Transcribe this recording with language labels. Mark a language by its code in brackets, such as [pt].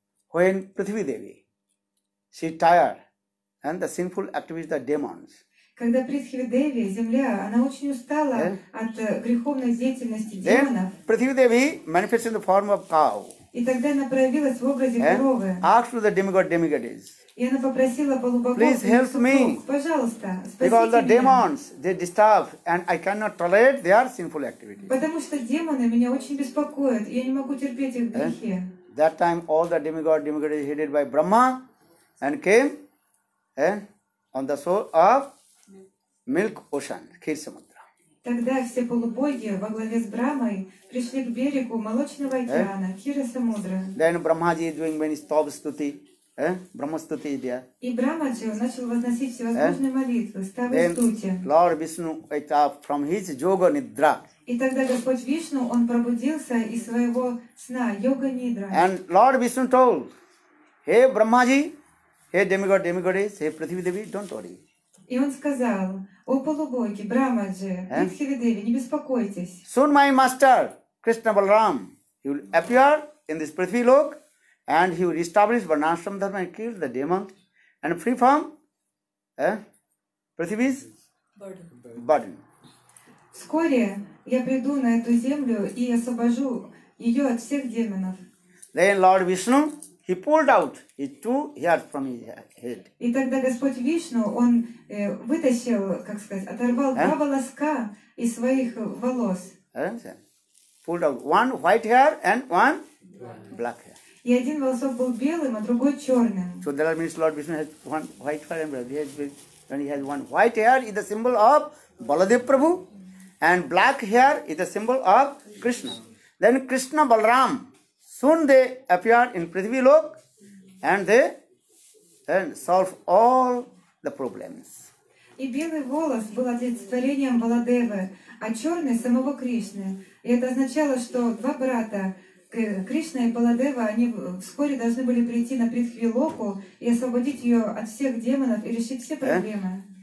[en] When Prithvi Devi, she tired, and the sinful activities, the demons. [ru] Когда Прithvi Devi, земля, она очень устала от греховной деятельности демонов. [en] Prithvi Devi manifested in the form of cow. [ru] И тогда она проявилась в образе коровы. [en] Asked to the demigod-demigoddess. [ru] И она попросила полубогов, [en] please help [ru] супруг, [en] me. [ru] Пожалуйста, спасите меня. [en] Because the [ru] меня. [en] Demons, they disturb, and I cannot tolerate their sinful activities. [ru] Потому что демоны меня очень беспокоят, и я не могу терпеть их грехи. [en] That time all the demigods headed by Brahma and came on the shore of milk ocean, Khir Samudra. [ru] Тогда все полубоги во главе с Брахмой пришли к берегу молочного океана, Khir Samudra. [en] Then Brahmaji is doing many stops stuti. [ru] Брахмастути идея. И Брахмаджи начал возносить всевозможные молитвы, ставы стути. [en] Lord Vishnu wake up from his yoga nidra. [ru] И тогда Господь Вишну, он пробудился из своего сна, йога нидра. [en] And Lord Vishnu told, hey Brahmaji, hey demigod, demigoddess, hey Prithvi Devi, don't worry. [ru] И он сказал, о полубоги, Брахмаджи, Прithvi Devi, не беспокойтесь. [en] Soon my master, Krishna Balaram, he will appear in this Prithvi Lok. And he will establish Varnashram Dharma and kill the demon and free from Prithvi's burden. [ru] Вскоре я приду на эту землю и освобожу ее от всех демонов. [en] Then Lord Vishnu, he pulled out his two hairs from his head. [ru] И тогда Господь Вишну, он вытащил, как сказать, оторвал два волоска из своих волос. [en] Pulled out one white hair and one black hair. [ru] И один волосок был белым, а другой черным. [en] So there are means Lord Vishnu has one white hair and black. When he has one white hair, it's a symbol of Baladev Prabhu, and black hair is a symbol of Krishna. Then Krishna Balaram, Soon they appear in Prithvi Lok and they then solve all the problems. [ru] И белый волос был олицетворением Баладевы, а черный — самого Кришны. И это означало, что два брата, Кришна и Баладева, они вскоре должны были прийти на Прихви Локу и освободить ее от всех демонов и решить все проблемы.